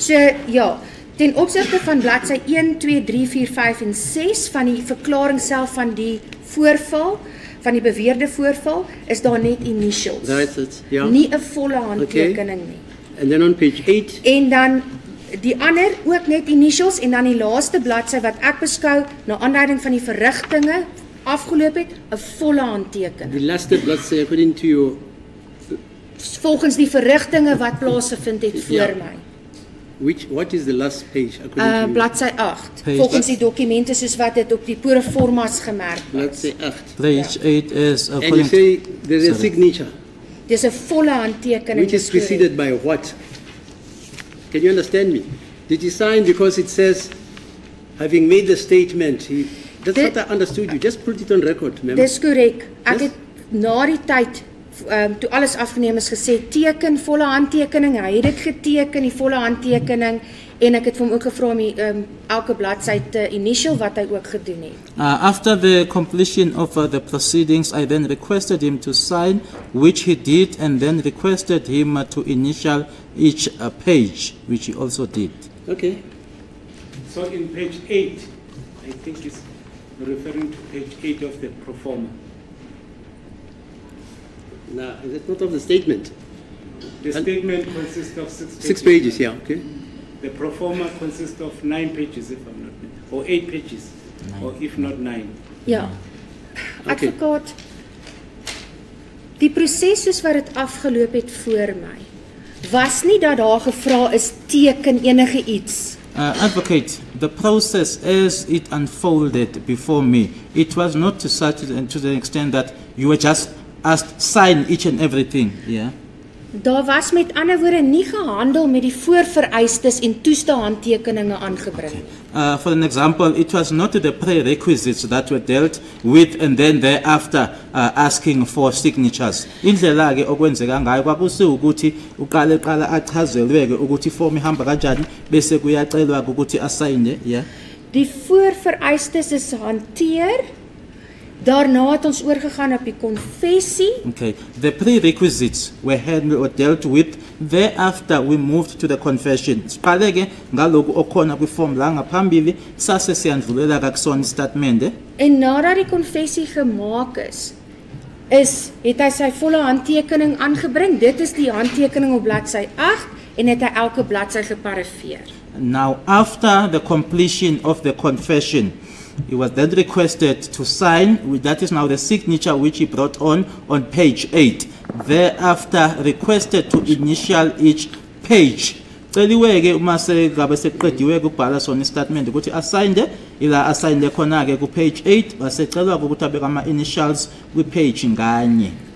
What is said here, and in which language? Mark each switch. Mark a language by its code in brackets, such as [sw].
[af] So ja, ten opsigte van bladsy 1 2 3 4 5 en 6 van die verklaring self van die voorval, van die beweerde voorval, is daar net initials. [en] That's it. Ja. Yeah. [af] Nie 'n volle handtekening nie. [en] And then on page 8 [af] en dan die ander ook net initials en dan die laaste bladsy wat ek beskou na aanleiding van die verrigtinge afgeloop het 'n volle handtekening. Die laaste bladsy [en] according to you [af] volgens die verrigtinge wat plaasgevind het voor my. [en] Which what is the last page according to you? [af] Bladsy 8. Page volgens die dokumente soos wat dit op die proformas gemerk word. Bladsy 8. [en] Page 8 is according to you. There's a signature. There's a [af] volle handtekening. [en] Which is preceded by what? Can you understand me? Did he sign because it says having made the statement he that's what I understood you. Just put it on record, ma'am. [af] Dis korrek. Ek het na die tyd toe alles afgeneem is gesê teken volle handtekening. Hy het dit geteken, die volle handtekening, en ek het vir hom ook gevra om die elke bladsy te initial wat hy ook gedoen het. [en] After the completion of the proceedings, I then requested him to sign, which he did, and then requested him to initial each page, which he also did. Okay. So in page 8, I think it's referring to page 8 of the proforma. Now, is it not of the statement? The statement consists of six pages. Six pages, yeah, okay. The proforma consists of 9 pages, if I'm not mistaken, or 8 pages, nine. Or if not 9. Yeah. Okay. [af] Advocaat, die proses soos wat het afgeloop het voor my, was nie dat daar gevra is teken enige iets. [en] Advocate, the process as it unfolded before me, it was not to such and to the extent that you were just asked sign each and everything. Yeah. [af] Daar was met ander woorde nie gehandel met die voorvereistes en toestaanhandtekeninge aangebring. [en] For an example, it was not the prerequisites that were dealt with and then thereafter asking for signatures. [zu] Indlela ke okwenzeka ngayo kwakuse ukuthi uqala achazelweke ukuthi form ihamba kanjani bese kuyacelwa ukuthi asigne, yeah. [af] Die voorvereistes is hanteer. Daarna het ons oorgegaan op die konfessie. [en] Okay. The prerequisites were handled or dealt with. Thereafter we moved to the confession. [zu] Spaleke ngaloku okhona ku form la ngaphambili sase siyandlulela ka kusona statement. [af] En nadat die konfessie gemaak is, het hy sy volle handtekening aangebring. Dit is die handtekening op bladsy 8 en het hy elke bladsy geparafeer. [en] Now after the completion of the confession, he was then requested to sign, that is now the signature which he brought on page 8. Thereafter, requested to initial each page. [zu] Celiweke uma sekabe sekuqediwe ukubhala sona statement ukuthi assigned, ila assigned khona ke ku page 8, basecelwa ukuthi abeke ama initials ku page nganye.